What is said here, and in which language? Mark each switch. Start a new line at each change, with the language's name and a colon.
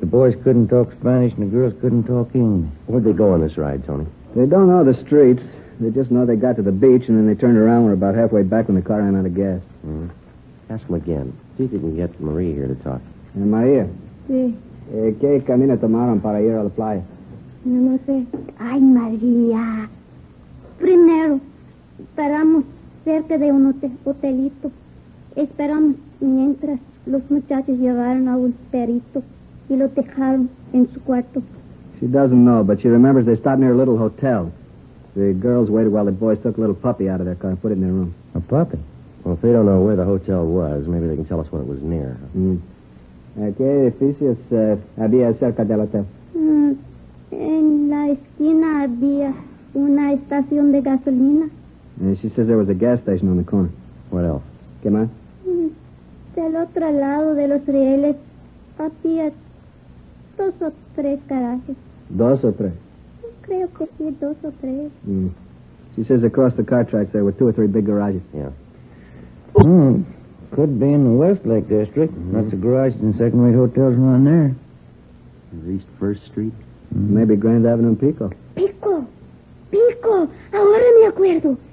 English: The boys couldn't talk Spanish and the girls couldn't talk English. Where'd they go on this ride, Tony? They don't know the streets. They just know they got to the beach and then they turned around and were about halfway back when the car ran out of gas. Mm-hmm. Ask them again. See if you can get Marie here to talk. Maria?
Spanish: Sí. ¿Qué camino tomaron para ir a la playa? No lo sé. Ay, Maria. Primero, paramos cerca de un hotelito. Esperamos mientras los muchachos llevaron a un perrito y lo dejaron en su cuarto.
English: She doesn't know, but she remembers they stopped near a little hotel. The girls waited while the boys took a little puppy out of their car and put it in their room. A puppy? Well, if they don't know where the hotel was, maybe they can tell us when it was near.
Spanish: Mm. ¿Qué edificios había cerca del hotel? En la esquina había una estación de gasolina.
English: And she says there was a gas station on the corner. What else?
Spanish: ¿Qué más? Del otro lado de los rieles había dos o tres garajes. ¿Dos o tres? Creo que sí, dos o tres. Mm.
English: She says across the car tracks there were two or three big garages. Yeah. Hmm. Could be in the Westlake District. Mm-hmm. Lots of garages and second-rate hotels around there. East First Street? Mm-hmm. Maybe Grand Avenue and Pico.
Spanish: Pico! Pico! Ahora me acuerdo.